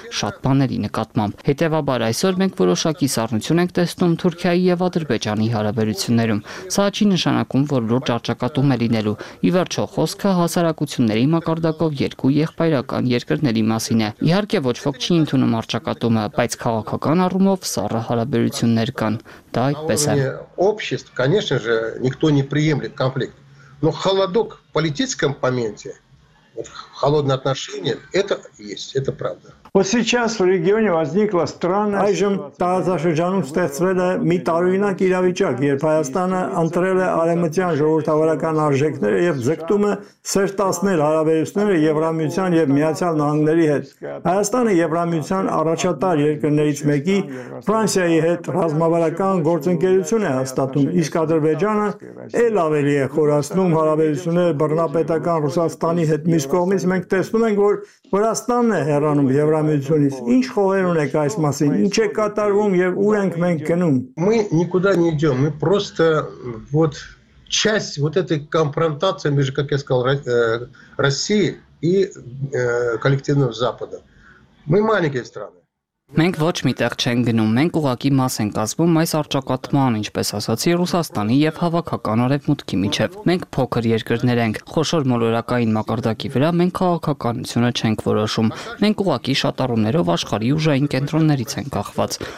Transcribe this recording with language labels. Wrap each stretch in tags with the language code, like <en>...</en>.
<hy>շատ բաների նկատմամբ։ Հետևաբար այսօր մենք որոշակի սառնություն ենք տեսնում Թուրքիայի եւ Ադրբեջանի հարաբերություններում, սա չի նշանակում, որ լուրջ արճակատում է լինելու, ի վերջո խոսքը հասարակությունների մակարդակով երկու եղբայրական երկրների մասին է։ Իհարկե ոչ ոք չի ընդունում արճակատումը, բայց քաղաքական առումով սառը հարաբերություններ կան, դա այդպես է։</hy> <ru>Общество, конечно же, никто не приемлет конфликт, но холодок в политическом моменте, холодное отношение, это есть, это правда. Вот сейчас в регионе возникла странная ситуация.</ru> <hy>Այժմ տարածաշրջանում ստեղծվել է մի տարօրինակ իրավիճակ, երբ Հայաստանը ընտրել է արևմտյան ժողովրդավարական արժեքները եւ ձգտում է սերտասներ հարաբերությունները Եվրամիության եւ Միացյալ Նահանգների հետ։ Հայաստանը Եվրամիության առաջատար երկրներից մեկի Ֆրանսիայի հետ ռազմավարական գործընկերություն է հաստատում, իսկ Ադրբեջանը էլ ավելի է խորացնում հարաբերությունները բռնապետական Ռուսաստանի հետ։ Մի կողմից մենք տեսնում ենք, որ Վրաստանն է հեռանում Евромедицинис. Ինչ խոհեր ունեք այս մասին, ինչ է կատարվում եւ ուր ենք մենք գնում?</hy> <ru>Мы никуда не идём. Мы просто вот часть вот этой конфронтации между, как я сказал, России и коллективным Западом. Мы маленькие страны.</ru> <hy>Մենք ոչ մի տեղ չենք գնում, մենք ուղակի մաս ենք ազվում այս արճակատման, ինչպես ասացի, Ռուսաստանի եւ հավաքական արևմուտքի միջև։ Մենք փոքր երկրներ ենք, խոշոր մոլորակային մակարդակի վրա մենք քաղաքականությունը չենք որոշում, մենք ուղակի շատառումներով աշխարհի ուժային կենտրոններից ենք ախված։</hy>